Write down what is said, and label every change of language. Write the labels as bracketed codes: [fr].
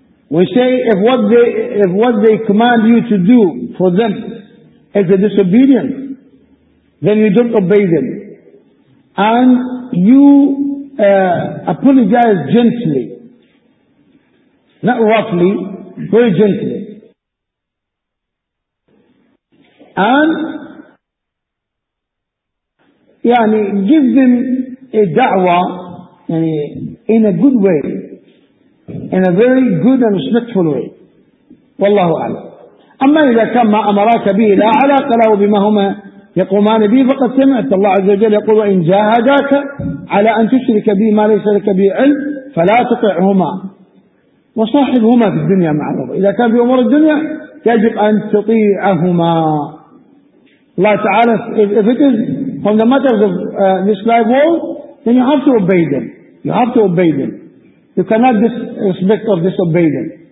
[en] We say if what they command you to do for them is a disobedience, then you don't obey them and you apologize gently, not roughly, very gently, and give them a da'wah in a good way, in a very good and respectful way. [ar] Wallahu a'lam. أما إذا كان ما أمرك به لا علاقة له بما هما يقومان به فقد سمعت الله عز وجل يقول وإن جاهداك على أن تشرك به ما ليس لك به علم فلا تطعهما وصاحبهما في الدنيا معروف. إذا كان في أمور الدنيا يجب أن تطيعهما. [en] الله تعالى if it is from the matters of this life world then you have to obey them, you have to obey them, you cannot disrespect or disobey them.